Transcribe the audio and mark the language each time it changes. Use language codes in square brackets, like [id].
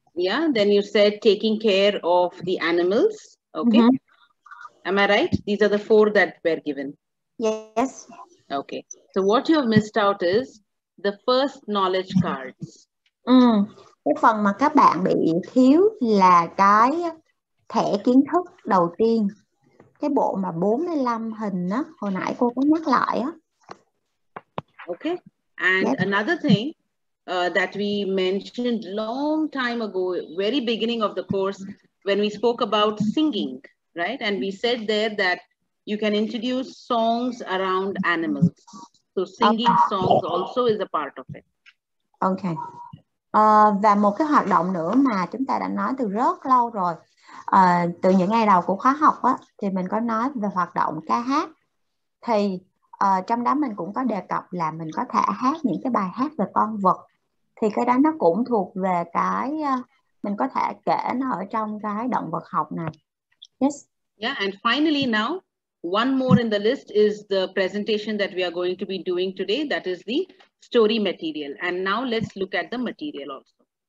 [en] Yeah, then you said taking care of the animals. Okay. Mm-hmm. Am I right? These are the four that were given. Yes. Okay. So what you have missed out is the first knowledge cards. Mm. [vi] Cái phần mà các bạn bị thiếu là cái thẻ kiến thức đầu tiên. Cái bộ mà 45 hình đó, hồi nãy cô có nhắc lại á. [en] Okay. And yes. Another thing that we mentioned long time ago, very beginning of the course, when we spoke about singing, right? And we said there that you can introduce songs around animals. So singing songs also is a part of it. Okay. [vi] Và một cái hoạt động nữa mà chúng ta đã nói từ rất lâu rồi, từ những ngày đầu của khóa học á, thì mình có nói về hoạt động ca hát. Thì trong đó mình cũng có đề cập là mình có thể hát những cái bài hát về con vật. Thì cái đó nó cũng thuộc về cái mình có thể kể nó ở trong cái động vật học này. [en] Yes. Yeah, and finally now, one more in the list is the presentation that we are going to be doing today. That is the story material. And now let's look at the material also.